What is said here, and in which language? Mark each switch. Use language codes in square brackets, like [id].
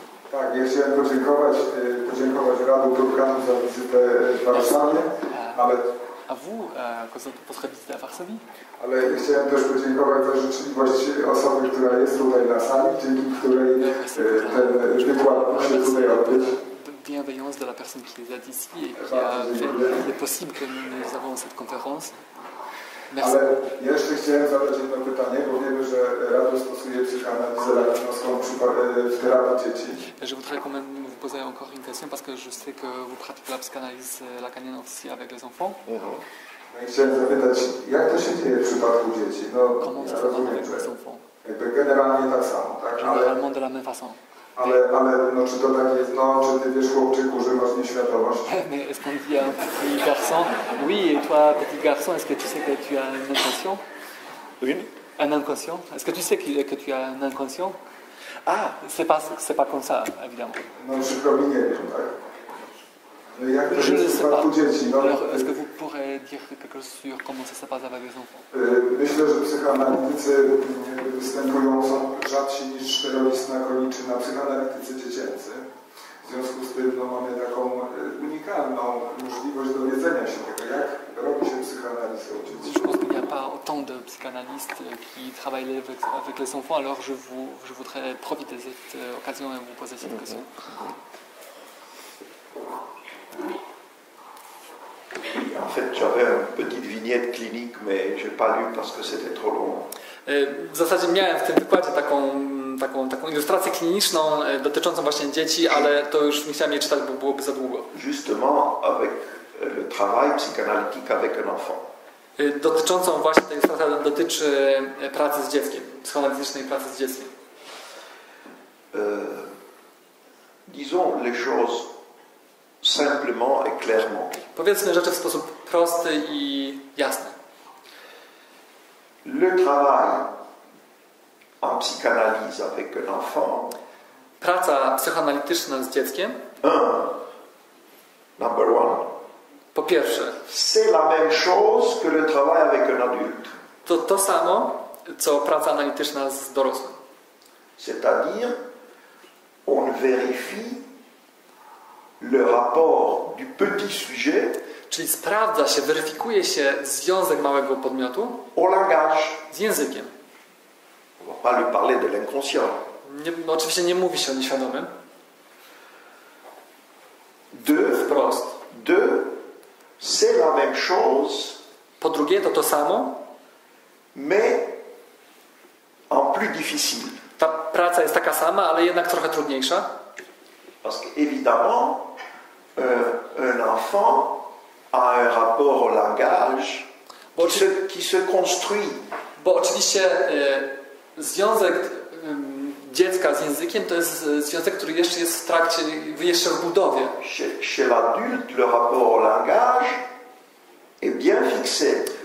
[pl] Tak, ja chciałem podziękować Radu Grupkanu za wizytę w Warszawie, ale... [fr] A vous, quand vous serez visité à Varsovie? [pl] Ale chciałem też podziękować za życzliwość osoby, która jest tutaj na sali, dzięki której ten wykład mógł się tutaj odbyć. [fr] Bienveillance de la personne qui les a dit ici et qui a fait possible que nous avons cette conférence. Merci. [pl] Ale jeszcze chciałem zadać jedno pytanie, bo wiemy, że Rado stosuje psychoanalizę lakmuską w terapii dzieci. [fr] Je voudrais quand même vous poser encore une question, parce que je sais que vous pratiquez la psychanalyse lacanienne aussi avec les enfants. [pl] No i chciałem zapytać, jak to się dzieje w przypadku dzieci? No, [fr] comment ça se passe avec les enfants? [pl] Jakby generalnie tak samo, tak? [fr] Generalement de la même façon. [pl] Ale no, czy to tak jest, no, czy ty wiesz, chłopczyku, że masz nieświadomość? [fr] Mais est-ce qu'on dit à un petit garçon? Oui, et toi, petit garçon, est-ce que tu sais que tu as une inconscient? Oui. Un inconscient? Est-ce que tu sais que tu as un inconscient? Ah, c'est pas comme ça, évidemment. Non, je crois bien, tu vois. Je ne sais pas. Alors, est-ce que vous pourrez dire quelque chose sur comment ça se passe avec les enfants? [pl] Myślę, że psychoanalitycy występują są rzadsi niż szczerolistna koniczyna psychoanalitycy dziecięcy. W związku z tym no, mamy taką unikalną możliwość dowiedzenia się tego, jak robi się psychoanalizę u dzieci. [fr] Je pense qu'il n'y a pas autant de psychanalystes qui travaillent avec les enfants, alors je voudrais profiter de cette occasion et vous poser cette question. En fait, j'avais une petite vignette clinique, mais je n'ai pas lu parce que c'était trop long. [pl] W zasadzie miałem w tym wykładzie taką ilustrację kliniczną dotyczącą właśnie dzieci, ale to już nie chciałem jej czytać, bo byłoby za długo. [fr] Justement avec le travail psychanalytique avec un enfant. [pl] Dotyczącą właśnie tej ilustracji dotyczy pracy z dzieckiem, psychoanalitycznej pracy z dzieckiem. [fr] Disons les choses simplement et clairement. [pl] Powiedzmy rzeczy w sposób prosty i jasny. [fr] Le travail en psychanalyse avec un enfant [pl] praca psychoanalityczna z dzieckiem. [en] Number one. [pl] Po pierwsze. [fr] C'est la même chose que le travail avec un adulte. [pl] To to samo, co praca analityczna z dorosłym. [fr] C'est-à-dire, on vérifie le rapport du petit sujet. [pl] Czyli sprawdza się, weryfikuje się związek małego podmiotu. [fr] Au langage. [pl] Z językiem. [fr] On va pas lui parler de l'inconscient. [pl] Nie, no oczywiście nie mówi się o nieświadomym. [fr] Deux. [pl] Wprost. [fr] Deux. C'est la même chose. [pl] Po drugie, to to samo. [fr] Mais en plus difficile. [pl] Ta praca jest taka sama, ale jednak trochę trudniejsza. [fr] Parce que évidemment, un enfant a un rapport au langage qui se construit. [pl] Bo oczywiście związek dziecka z językiem to jest związek, który jeszcze jest w trakcie, jeszcze w budowie. [fr] Chez l'adulte, le rapport au langage est bien fixé.